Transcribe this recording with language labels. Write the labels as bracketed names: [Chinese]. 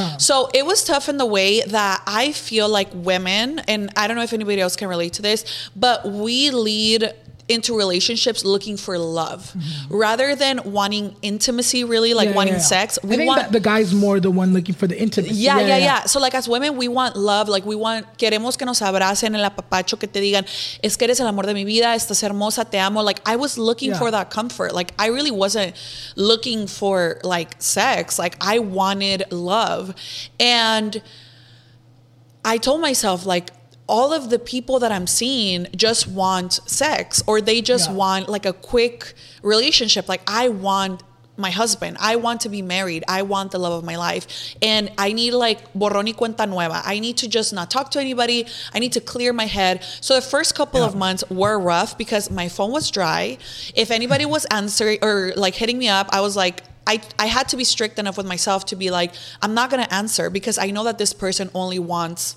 [English] So it was tough in the way that I feel like women, and I don't know if anybody else can relate to this, but we lead into relationships looking for love rather than wanting intimacy, really, like sex. We want the guy's more the one looking for the intimacy. So like as women, we want love. Like we want, [Spanish] queremos que nos abracen, el apapacho, que te digan, es que eres el amor de mi vida, estás hermosa, te amo. [English] Like I was looking for that comfort. Like I really wasn't looking for like sex. Like I wanted love. And I told myself like, all of the people that I'm seeing just want sex, or they just want like a quick relationship. Like I want my husband. I want to be married. I want the love of my life. And I need like [Spanish] borrón y cuenta nueva. [English] I need to just not talk to anybody. I need to clear my head. So the first couple of months were rough because my phone was dry. If anybody was answering or like hitting me up, I was like, I had to be strict enough with myself to be like, I'm not going to answer because I know that this person only wants